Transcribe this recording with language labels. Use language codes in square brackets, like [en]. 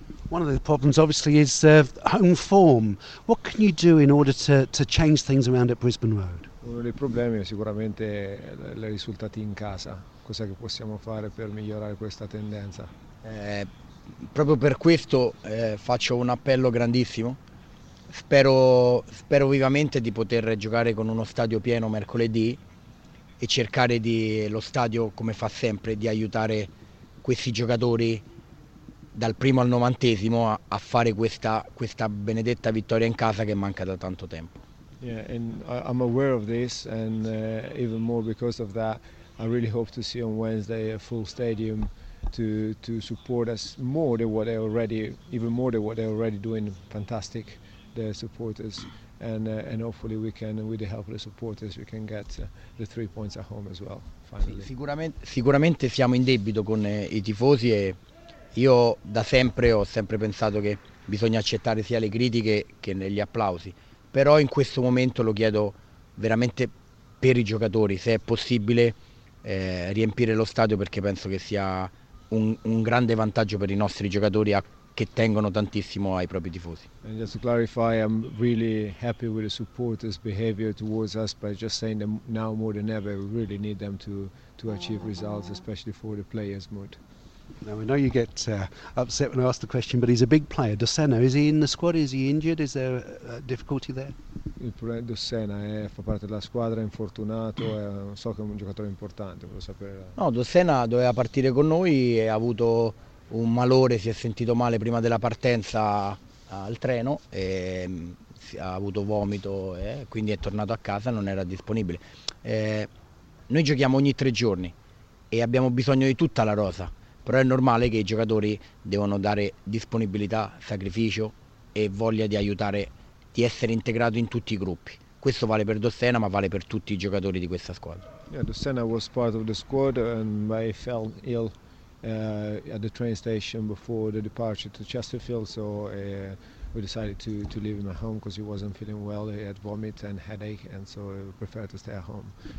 [en] One of the problems obviously is home form. What can you do in order to change things around at Brisbane Road? [it] Uno dei problemi è sicuramente i risultati in casa. Cosa che possiamo fare per migliorare questa tendenza? Proprio per questo faccio un appello grandissimo, spero vivamente di poter giocare con uno stadio pieno mercoledì e cercare di lo stadio, come fa sempre, di aiutare questi giocatori dal primo al 90° a fare questa benedetta vittoria in casa che manca da tanto tempo. [en] Yeah, and I'm aware of this, and even more because of that I really hope to see on Wednesday a full stadium to support us more than what they already, even more than what they're already doing fantastic, their supporters, and hopefully we can, with the help of the supporters, we can get the 3 points at home as well, finally. [it] Sicuramente siamo in debito con i tifosi, e io da sempre ho sempre pensato che bisogna accettare sia le critiche che negli applausi, però in questo momento lo chiedo veramente per i giocatori, se è possibile riempire lo stadio, perché penso che sia un grande vantaggio per i nostri giocatori a che tengono tantissimo ai propri tifosi. [en] And just to clarify, I'm really happy with the supporters' behavior towards us, but just saying that now more than ever we really need them to achieve results, especially for the players' mood. Now I know you get upset when I ask the question, but he's a big player, Dossena. Is he in the squad? Is he injured? Is there a difficulty there? [it] Il problema di Dossena è fa parte della squadra, è infortunato, so che è un giocatore importante, volevo sapere. No, Dossena doveva partire con noi, e ha avuto un malore, si è sentito male prima della partenza al treno, e ha avuto vomito, e quindi è tornato a casa, non era disponibile. Noi giochiamo ogni tre giorni e abbiamo bisogno di tutta la rosa. Però è normale che i giocatori devono dare disponibilità, sacrificio e voglia di aiutare, di essere integrato in tutti i gruppi. Questo vale per Dossena, ma vale per tutti i giocatori di questa squadra. [en] Yeah, Dossena was part of the squad and he fell ill at the train station before the departure to Chesterfield, so we decided to leave him at home because he wasn't feeling well. He had vomit and headache, and so we preferred to stay at home.